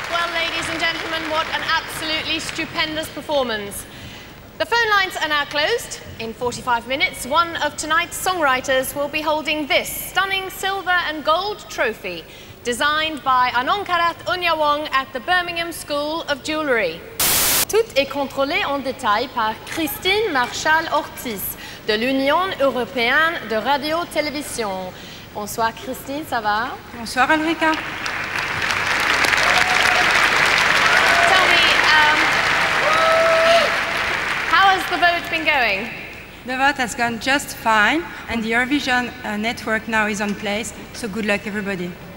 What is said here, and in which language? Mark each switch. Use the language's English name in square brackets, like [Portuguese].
[English] Well, ladies and gentlemen, what an absolutely stupendous performance. The phone lines are now closed. In 45 minutes, one of tonight's songwriters will be holding this stunning silver and gold trophy designed by Anonkarat Onyawong at the Birmingham School of Jewellery. [French] Tout est contrôlé en détail par Christine Marshall-Ortiz de l'Union Européenne de Radio-Télévision. Bonsoir Christine, ça va? Bonsoir Ulrika. [English] Tell me, how has the vote been going? The vote has gone just fine, and the Eurovision network now is on place, so good luck everybody.